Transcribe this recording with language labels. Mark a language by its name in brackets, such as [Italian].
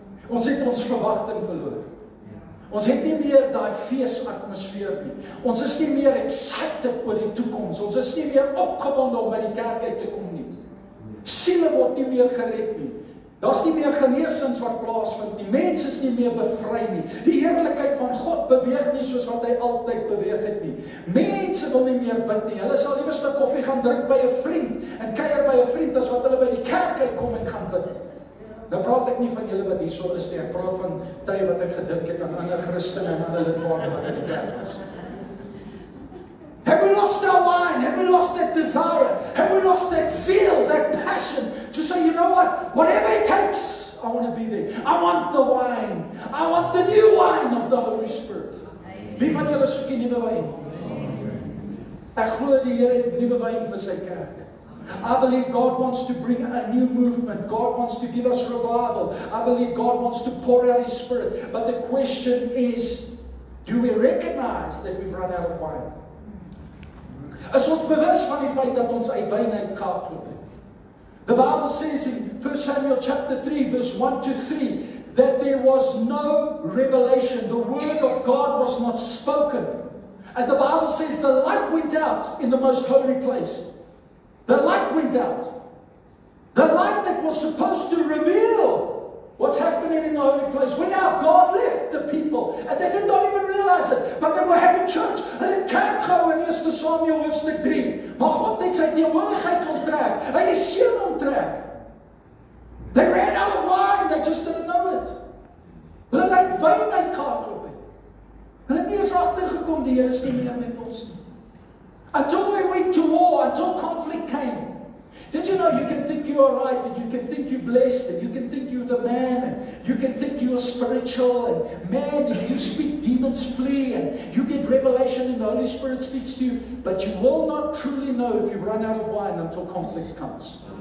[Afrikaans] Ons het ons verwagting verloor. Ons het nie meer daai feesatmosfeer nie. Ons is nie meer excited oor die toekoms. Ons is nie meer opgewonde om by die kerk uit te kom nie. Siele word nie meer gered nie. Daar's nie meer genesings wat plaasvind nie. Mense is nie meer bevry nie. Die heerlikheid van God beweeg nie soos wat hy altyd beweeg het nie. Mense wil nie meer bid nie. Hulle sal liewer 'n stuk koffie gaan drink by 'n vriend en kuier by 'n vriend as wat hulle by die kerk uitkom en gaan bid. Nou praat ek nie van julle wat hierso is nie. Ek praat van tye wat ek gedink het aan ander Christene en ander lidmate wat in die kerk is. [English] Have we lost our mind? Have we lost that desire? Have we lost that zeal, that passion to say, you know what? Whatever it takes, I want to be there. I want the wine. I want the new wine of the Holy Spirit. [Afrikaans] Wie van julle soek die nuwe wyn? Ek glo die Here het nuwe wyn vir sy kerk. [English] I believe God wants to bring a new movement. God wants to give us revival. I believe God wants to pour out His Spirit. But the question is, do we recognize that we've run out of wine? [Afrikaans] Is ons bewus van die feit dat ons uit wyn uitgehardloop het? [English] The Bible says in 1 Samuel chapter 3 verse 1 to 3 that there was no revelation. The word of God was not spoken. And the Bible says the light went out in the most holy place. The light went out. The light that was supposed to reveal what's happening in the holy place went out. God left the people and they did not even realize it. But they were having church. [Afrikaans] Hulle kerk gehou in 1 Samuel hoofstuk 3. Maar God het sy teenwoordigheid onttrek. Hy het sy seun onttrek. [English] They ran out of wine. They just didn't know it. [Afrikaans] Hulle het wyn uitgehardloop. Hulle het nie eens agtergekom die Here is nie meer met ons nie. [English] Until they went to war, until conflict came. Did you know you can think you are right and you can think you're blessed and you can think you're the man and you can think you're spiritual and man, if you speak, demons flee and you get revelation and the Holy Spirit speaks to you, but you will not truly know if you've run out of wine until conflict comes.